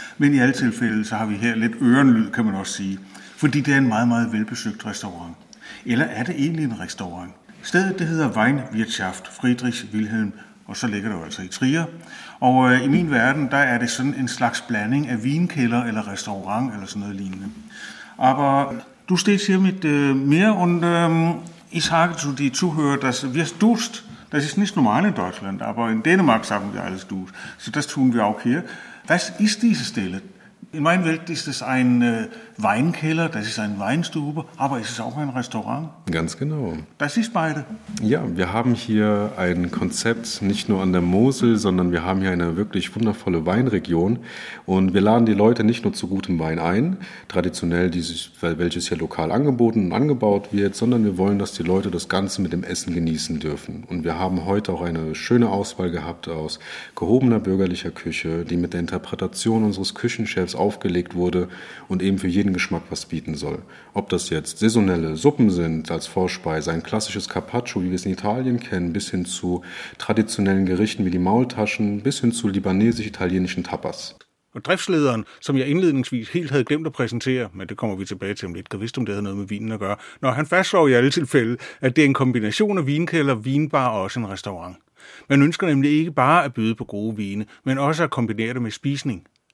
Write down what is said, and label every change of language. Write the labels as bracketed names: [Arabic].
[Danish] Men i alle tilfælde, så har vi her lidt ørenlyd, kan man også sige, fordi det er en meget, meget velbesøgt restaurant. Eller er det egentlig en restaurant? Stedet det hedder Weinwirtschaft Friedrich Wilhelm, og så ligger det jo altså i Trier. Og i min verden, der er det sådan en slags blanding af vinkælder eller restaurant eller sådan noget lignende. [German] Aber du steht hier mit mir und ich sage zu die Zuhörer, dass wir duscht. Das ist nicht normal in Deutschland, aber in Dänemark sagen wir alles duscht. So das tun wir auch hier. Was ist diese Stelle? In meiner Welt ist es ein Weinkeller, das ist ein Weinstube, aber es ist auch ein Restaurant. Ganz genau. Das ist beide. Ja, wir haben hier ein Konzept, nicht nur an der Mosel, sondern wir haben hier eine wirklich wundervolle Weinregion. Und wir laden die Leute nicht nur zu gutem Wein ein, traditionell, welches hier lokal angeboten und angebaut wird, sondern wir wollen, dass die Leute das Ganze mit dem Essen genießen dürfen. Und wir haben heute auch eine schöne Auswahl gehabt aus gehobener bürgerlicher Küche, die mit der Interpretation unseres Küchenchefs aufgelegt wurde und eben für jeden Geschmack was bieten soll. Ob das jetzt saisonelle Suppen sind als Vorspeise, ein klassisches Carpaccio, wie wir es in Italien kennen, bis hin zu traditionellen Gerichten wie die Maultaschen, bis hin zu libanesisch-italienischen Tapas. [Danish] Und Driftslederen, som jeg indledningsvis helt havde glemt at præsentere, men det kommer vi tilbage til om lidt, gavist om det havde noget med vinen at gøre, når han fastslår i alle tilfælde, at det er en kombination af vinkælder, vinbar og også en restaurant. Man ønsker nemlig ikke bare at byde på gode vine, men også at kombinere det med spisning.